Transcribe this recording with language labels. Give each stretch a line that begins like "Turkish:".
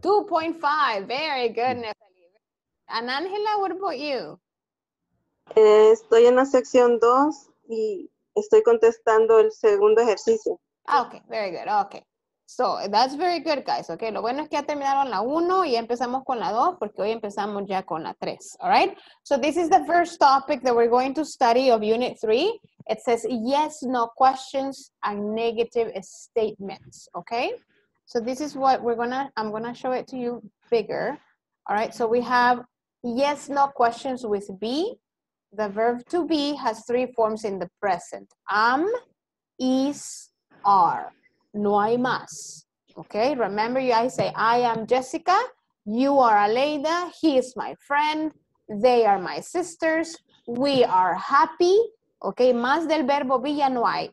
English: 2.5. Very good, Nefta. And Angela, what about you?
Spanish: Estoy en la sección 2 y estoy contestando el segundo ejercicio.
English: Ah, ok, very good, ok. So, that's very good, guys, ok.
Spanish: Lo bueno es que ya terminaron la 1 y ya empezamos con la 2 porque hoy empezamos ya con la 3, alright?
English: So, this is the first topic that we're going to study of Unit 3. It says yes, no questions and negative statements, ok? So, this is what we're gonna, I'm gonna show it to you bigger, alright? So, we have yes, no questions with B. The verb to be has three forms in the present. Am, is, are.
Spanish: No hay más.
English: Okay, remember you, I say, I am Jessica, you are Aleida, he is my friend, they are my sisters, we are happy.
Spanish: Okay, más del verbo be ya no hay.